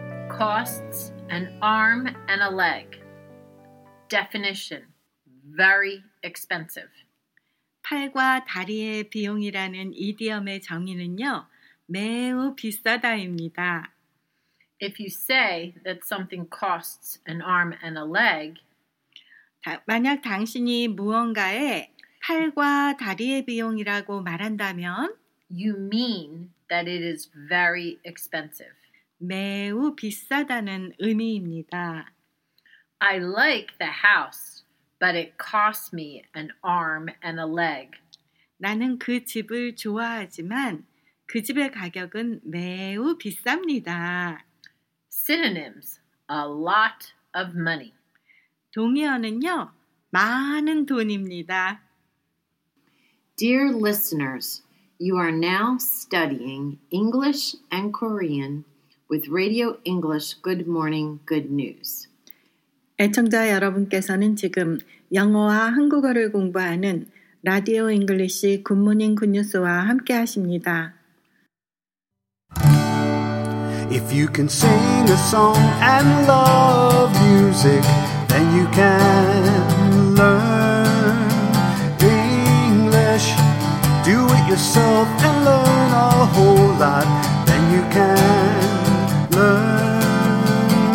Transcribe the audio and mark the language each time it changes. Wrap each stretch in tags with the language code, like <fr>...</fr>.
<en>Costs an arm and a leg. Definition. Very expensive.</en> <ko>팔과 다리의 비용이라는 이디엄의 정의는요, 매우 비싸다입니다.</ko> <en>If you say that something costs an arm and a leg,</en> <ko>만약 당신이 무언가에 팔과 다리의 비용이라고 말한다면,</ko> <en>you mean that it is very expensive.</en> <ko>매우 비싸다는 의미입니다.</ko> <en>I like the house, but it costs me an arm and a leg.</en> <ko>나는 그 집을 좋아하지만 그 집의 가격은 매우 비쌉니다.</ko> <en>Synonyms, a lot of money.</en> <ko>동의어는요, 많은 돈입니다.</ko> <en>Dear listeners, you are now studying English and Korean with Radio English Good Morning Good News.</en> <ko>애청자 여러분께서는 지금 영어와 한국어를 공부하는 라디오 잉글리시 굿모닝 굿뉴스와 함께 하십니다.</ko> <en>If you can sing a song and love music, then you can learn English. Do it yourself and learn a whole lot, then you can learn.</en>